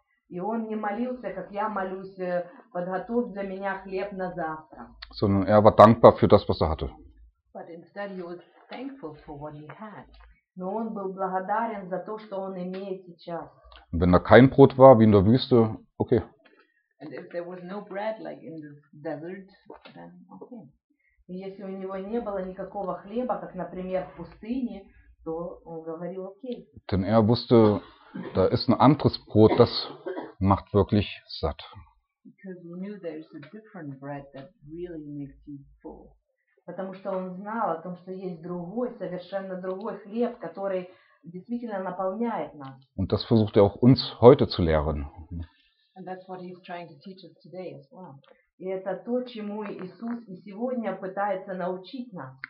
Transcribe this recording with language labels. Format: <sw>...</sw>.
<ru>И он не молился, как я молюсь, подготовь для меня хлеб на завтра.</ru> <de>Sondern er war dankbar für das, was er hatte.</de> <en>But instead he was thankful for what he had.</en> <ru>Но он был благодарен за то, что он имеет сейчас.</ru> <de>Wenn da kein Brot war, wie in der Wüste, okay.</de> <en>And if there was no bread, like in the desert, then okay.</en> <ru>Если у него не было никакого хлеба, как, например, в пустыне, то он говорил окей.</ru> <de>Denn er wusste, da ist ein anderes Brot, das macht wirklich satt.</de> <en>Because he knew there is a different bread that really makes you full.</en> <ru>Потому что он знал о том, что есть другой, совершенно другой хлеб, который действительно наполняет нас.</ru> <de>Und das versucht er auch uns heute zu lehren.</de> <en>And that's what he's trying to teach us today as well.</en> <ru>И это то, чему Иисус и сегодня пытается научить нас.</ru>